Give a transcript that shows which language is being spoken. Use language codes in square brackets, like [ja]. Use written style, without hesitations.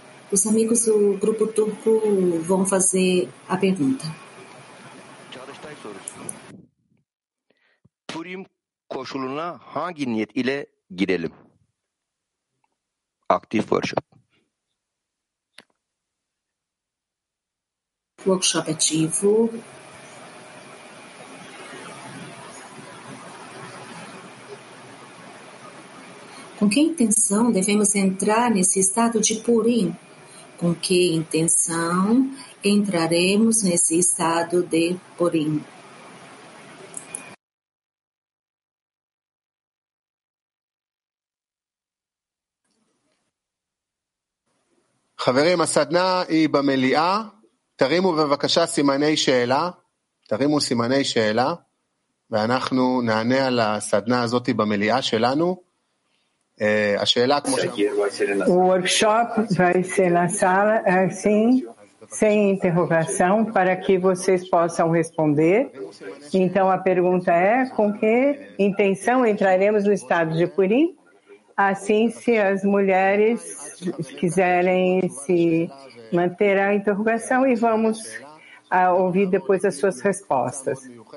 [pt] Os amigos do grupo turco vão fazer a pergunta. [tr] Purim koşuluna hangi niyet ile girelim? [en] active worship. [pt] Workshop ativo. Com que intenção devemos entrar nesse estado de Purim? Com que intenção entraremos nesse estado de Purim? [he] חברים, הסדנה היא במליאה. תרימו בבקשה סימני שאלה. תרימו סימני שאלה. ואנחנו נענה על הסדנה הזאת במליאה שלנו. השאלה כמו שם. [pt] Workshop vai ser na sala, assim, sem interrogação, para que vocês possam responder. Então a pergunta é, com que intenção entraremos no estado de Purim? Assim, se as mulheres quiserem se manter a interrogação e vamos ouvir depois as suas respostas.